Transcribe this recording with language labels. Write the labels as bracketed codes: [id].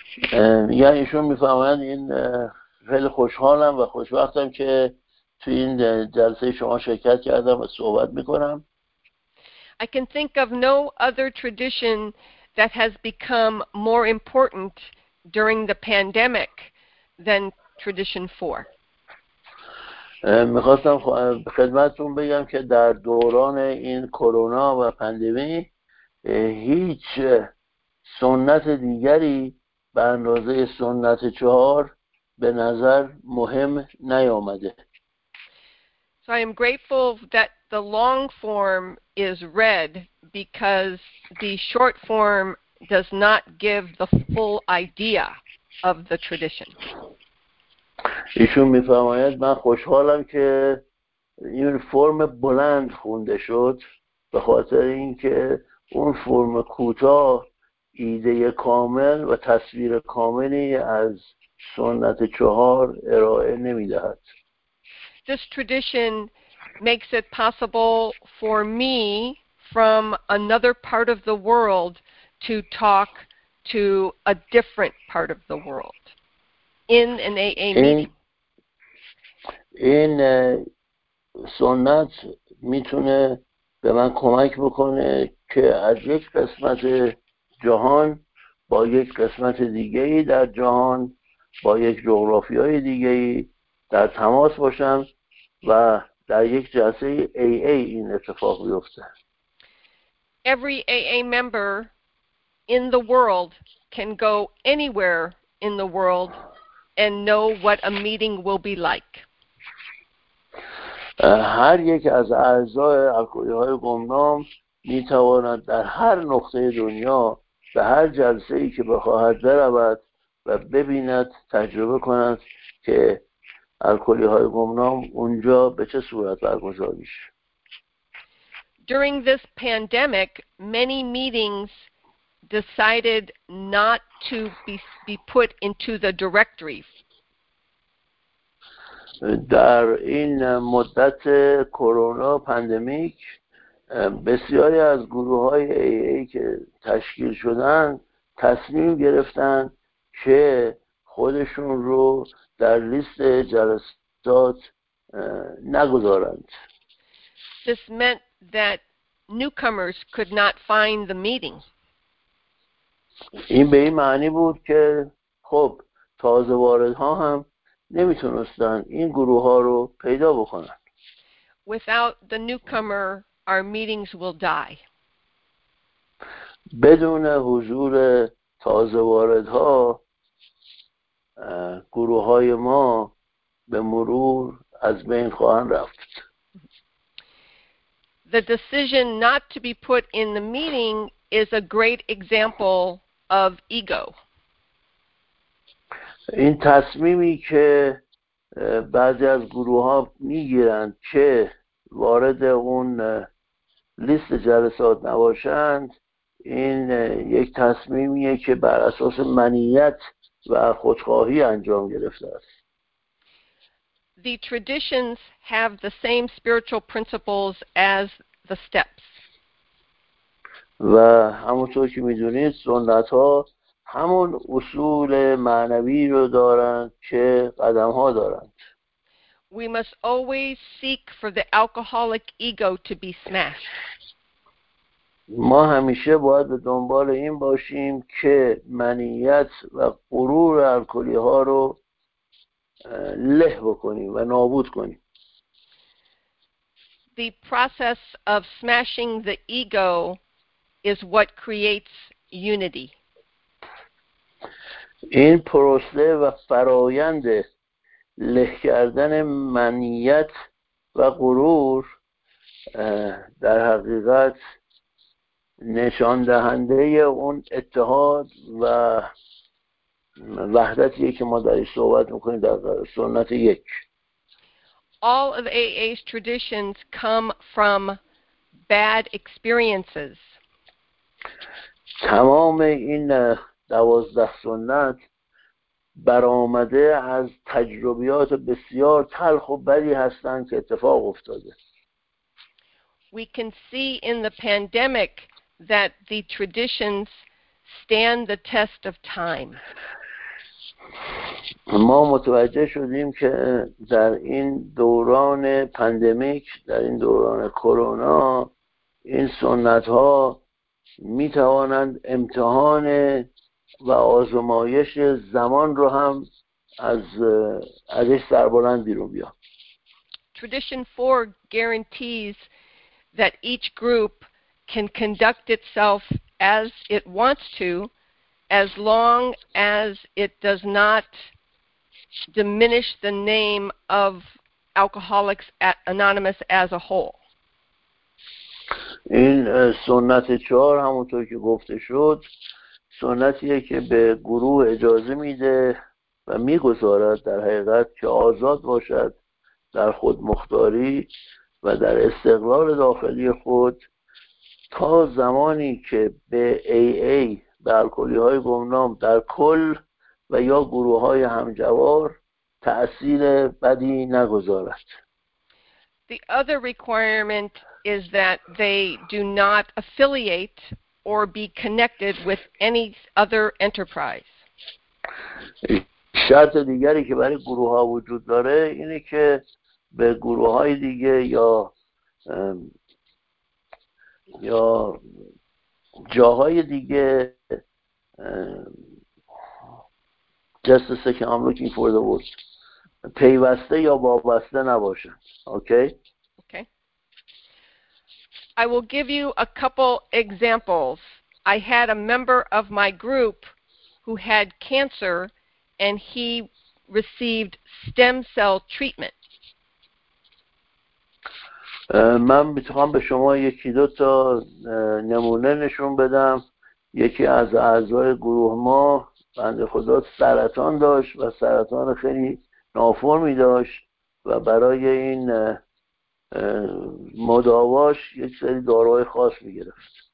[en] Yeah, [fa] ایشون میفهمن این خیلی خوشحالم و خوشبختم که تو این جلسه شما شرکت کردم و صحبت میکنم. [en] I can think of no other tradition that has become more important during the pandemic than tradition 4. [fa] می‌خواستم خدمتتون بگم که در دوران این کرونا و پاندمی هیچ سنت دیگری به اندازه سنت 4 به نظر مهم نیامده. [en] So I am grateful that the long form is read because the short form does not give the full idea of the tradition. [fa] ایشون میفرماید من خوشحالم که این فرم بلند خونده شد به خاطر اینکه اون فرم کوتاه ایده کامل و تصویر کاملی از سنت چهار ارائه نمیدهد. [en] This tradition makes it possible for me from another part of the world to talk to a different part of the world in an AA meeting. [fa] این سنت میتونه به من کمک بکنه که از یک قسمت جهان با یک قسمت دیگه‌ای در جهان با یک جغرافیای دیگه‌ای در تماس باشم و در یک جلسه AA این اتفاق بیفته. [en] Every AA member in the world can go anywhere in the world and know what a meeting will be like. [fa] هر یک از اعضای الکلی‌های گمنام می تواند در هر نقطه دنیا به هر جلسه ای که بخواهد برود و ببیند تجربه کند که الکلی های گمنام اونجا به چه صورت برگزار میشه. [en] During this pandemic, many meetings decided not to be put into the directory. [fa] در این مدت کرونا پاندمیک بسیاری از گروه های AA که تشکیل شدن تصمیم گرفتن که خودشون رو در لیست جلسات نگذارند. [en] This meant that newcomers could not find the meeting. [fa] این به این معنی بود که خب تازه واردها هم نمیتونستن این گروه ها رو پیدا بکنن. [en] Without the newcomer, our meetings will die. [fa] بدون حضور تازه واردها گروه های ما به مرور از بین خواهند رفت. [en] The decision not to be put in the meeting is a great example of ego. [fa] این تصمیمی که بعضی از گروه ها میگیرند که وارد اون لیست جلسات نباشند، این یک تصمیمیه که بر اساس منیت و خودخواهی انجام گرفته است. [en] The traditions have the same spiritual principles as the steps. [fa] و همونطور که میدونید سنت ها همون اصول معنوی رو دارند که قدم ها دارند. [en] We must always seek for the alcoholic ego to be smashed. [fa] ما همیشه باید به دنبال این باشیم که منیت و غرور الکلی ها رو له بکنیم و نابود کنیم. [en] The process of smashing the ego is what creates unity. [fa] این پروسه و فرایند له کردن منیت و غرور در حقیقت نشان دهنده اون اتحاد و وحدتیه که ما در این صحبت میکنیم در سنت یک. [en] All of AA's traditions come from bad experiences. [fa] تمام این 12 سنت برآمده از تجربیات بسیار تلخ و بدی هستند که اتفاق افتاده. [en] We can see in the pandemic that the traditions stand the test of time. [fa] ما متوجه شدیم که در این دوران پاندمیک، در این دوران کرونا، این سنت ها می توانند امتحان و آزمایش زمان رو هم ازش سربلند بیرون بیاد. [en] Tradition 4 guarantees that each group can conduct itself as it wants to, as long as it does not diminish the name of Alcoholics Anonymous as a whole. [fa] این سنت 4 همونطور که گفته شد سنتیه که به گروه اجازه میده و میگذارد در حقیقت که آزاد باشد در خود مختاری و در استقلال داخلی خود تا زمانی که به AA به الکلی های گمنام در کل و یا گروه های همجوار تأثیر بدی نگذارد. [en] The other requirement is that they do not affiliate or be connected with any other enterprise. [fa] شرط دیگری که برای گروه ها وجود داره اینه که به گروه های دیگه یا جاهای دیگه [en] just a second, I'm looking for the word. [fa] پیوسته یا وابسته نباشن. [en] Okay. Okay. I will give you a couple examples. I had a member of my group who had cancer and he received stem cell treatment. [fa] من میخوام به شما یکی دو تا نمونه نشون بدم. یکی از اعضای گروه ما بنده خدا سرطان داشت و سرطان خیلی نافرمی داشت و برای این مداواش یک سری داروهای خاص می‌گرفت.